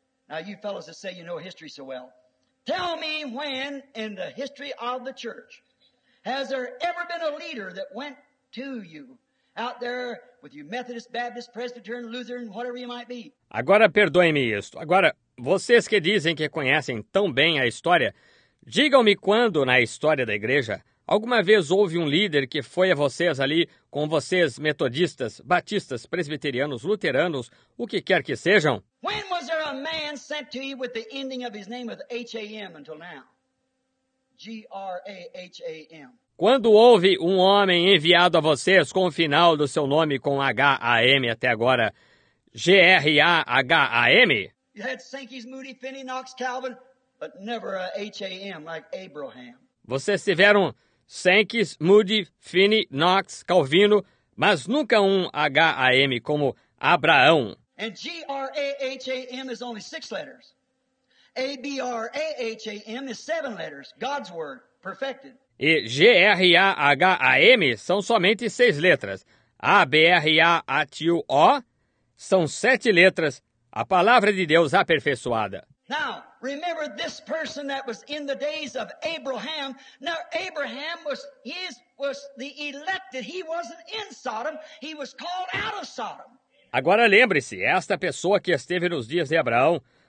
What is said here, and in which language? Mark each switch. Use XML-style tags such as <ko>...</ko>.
<en>Now, you fellows that say you know history so well, tell me when in the history of the church has there ever been a leader that went to you out there with you Methodist, Baptist, Presbyterian, Lutheran, whatever you might be?</en> <pt>Agora, perdoem-me isto. Agora, vocês que dizem que conhecem tão bem a história, digam-me quando, na história da igreja, alguma vez houve um líder que foi a vocês ali com vocês, metodistas, batistas, presbiterianos, luteranos, o que quer que sejam?</pt> <en>When was there a man sent to you with the ending of his name with H-A-M until now? G-R-A-H-A-M.</en> <pt>Quando houve um homem enviado a vocês com o final do seu nome com H-A-M até agora? G-R-A-H-A-M?</pt> <en>You had Sankey's, Moody, Finney, Knox, Calvin, but never a H-A-M like Abraham.</en> <pt>Vocês tiveram Sankey's, Moody, Finney, Knox, Calvino, mas nunca um H-A-M como Abraão.</pt> <en>And G-R-A-H-A-M is only 6 letters. A-B-R-A-H-A-M is 7 letters. God's word, perfected.</en> <pt>E G-R-A-H-A-M são somente 6 letras. A-B-R-A-H-U-O são 7 letras. A palavra de Deus aperfeiçoada.</pt> <en>Now, remember this person that was in the days of Abraham. Now, Abraham was the elected. He wasn't in Sodom. He was called out of Sodom.</en> <pt>Agora lembre-se, esta pessoa que esteve nos dias de Abraão.</pt>